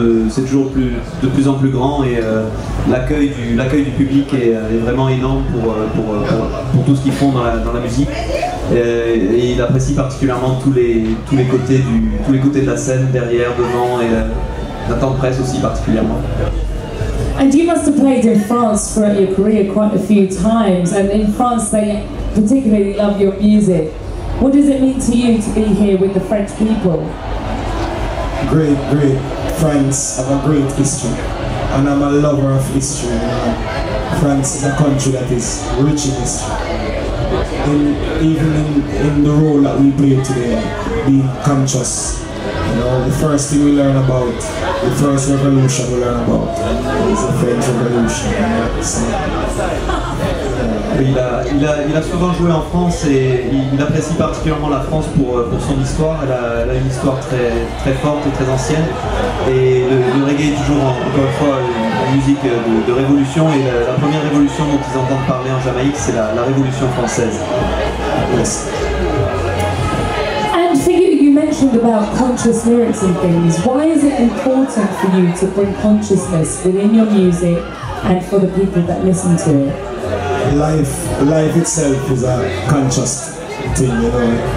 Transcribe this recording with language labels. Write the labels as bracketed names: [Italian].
[French] C'est toujours de plus en plus grand et l'accueil du public est vraiment énorme pour tout ce qu'ils font dans la musique. Et il apprécie particulièrement tous les côtés de la scène, derrière, devant, et la tente presse aussi particulièrement. [English] And you must have played in France throughout your career quite a few times, and in France they particularly love your music. What does it mean to you to be here with the French people? Great, great. France have a great history, and I'm a lover of history. France is a country that is rich in history. Even in the role that we play today, being conscious, you know, the first thing we learn about, the first revolution we learn about, is the French Revolution. [French] Il a souvent joué en France et il apprécie particulièrement la France pour son histoire. Elle a une histoire très, très forte et très ancienne. Et le reggae est toujours, encore une fois, une musique de révolution. Et la première révolution dont ils entendent parler en Jamaïque, c'est la révolution française. [English] Yes. And for you mentioned about conscious lyrics and things. Why is it important for you to bring consciousness within your music and for the people that listen to it? Life itself is a conscious thing, you know.